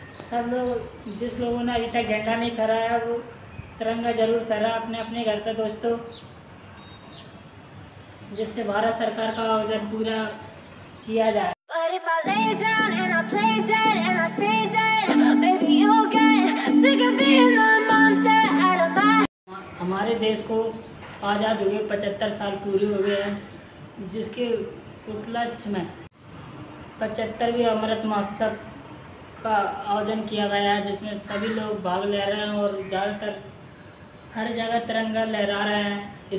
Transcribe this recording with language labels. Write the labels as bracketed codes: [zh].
[hi] सब लोग, जिस लोगों ने अभी तक झंडा नहीं फहराया वो तिरंगा जरूर फहरा अपने अपने घर पर दोस्तों, जिससे भारत सरकार का आयोजन पूरा किया जाए। [en] But if I lay down and I play dead and I stay dead, maybe you'll get sick of being the monster out of my... [hi] हमारे देश को आजाद हुए 75 साल पूरे हो गए हैं, जिसके उपलक्ष्य में 75वीं अमृत महोत्सव का आयोजन किया गया है, जिसमें सभी लोग भाग ले रहे हैं और ज़्यादातर हर जगह तिरंगा लहरा रहे हैं।